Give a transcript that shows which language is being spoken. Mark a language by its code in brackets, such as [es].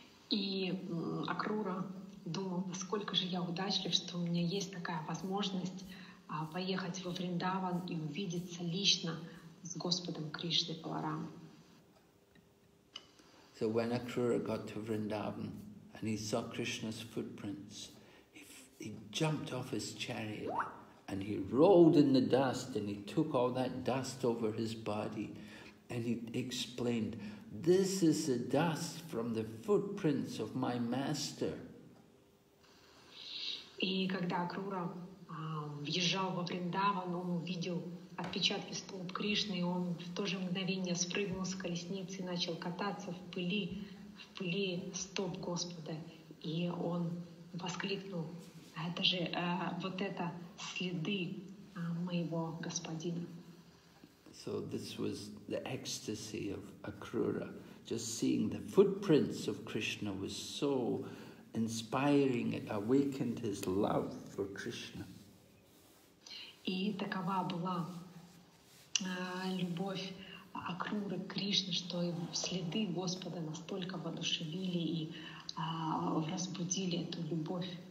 [ru] И Акрура думал, насколько же я удачлив, что у меня есть такая возможность поехать во Вриндаван и увидеться лично с Господом Кришной Баларам. [en] So when Akrura got to Vrindavan and he saw Krishna's footprints, he jumped off his chariot and he rolled in the dust and he took all that dust over his body and he explained, this is the dust from the footprints of my master. [ru] И когда Акрура въезжал во Вриндаван, он увидел отпечатки стоп Кришны, и он в то же мгновение спрыгнул с колесницы и начал кататься в пыли стоп Господа. И он воскликнул, это же вот это следы моего господина. [en] So this was the ecstasy of Akrura, just seeing the footprints of Krishna was so inspiring. It awakened his love for Krishna. [ru] И такова была любовь Акруры к Кришне, что следы Господа настолько воодушевили и разбудили эту любовь.